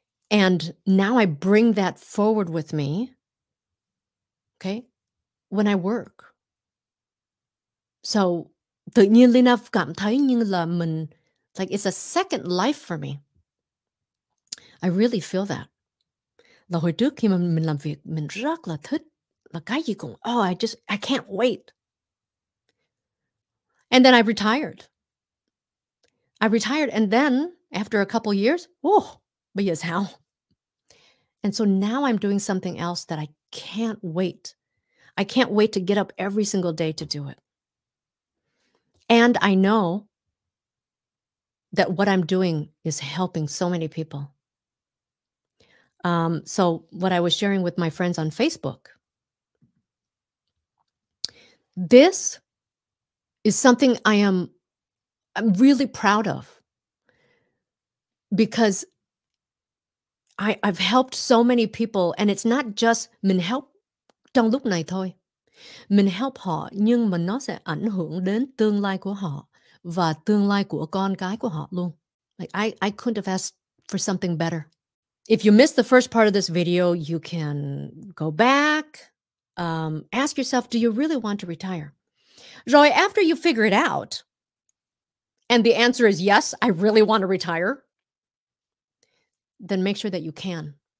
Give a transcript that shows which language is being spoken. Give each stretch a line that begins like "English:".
English: And now I bring that forward with me. Okay? When I work.
Vietnamese: So tự nhiên Lina cảm thấy như là mình,
English: like it's a second life for me. I really feel that.
Vietnamese: Là hồi trước khi mà mình làm việc, mình rất là thích
English: Magayikong. Oh, I can't wait. And then I retired. And then after a couple years, oh, but yes, how? And so now I'm doing something else that I can't wait. I can't wait to get up every single day to do it. And I know that what I'm doing is helping so many people. So what I was sharing with my friends on Facebook, this is something I'm really proud of, because I've helped so many people, and it's not just mình
Vietnamese: help trong lúc này thôi. Mình help họ, nhưng mà nó sẽ ảnh hưởng đến tương lai của họ và tương lai của con cái của họ luôn.
English: Like I couldn't have asked for something better. If you missed the first part of this video, you can go back, ask yourself, do you really want to retire? Rồi, after you figure it out, and the answer is yes, I really want to retire, then make sure that you can.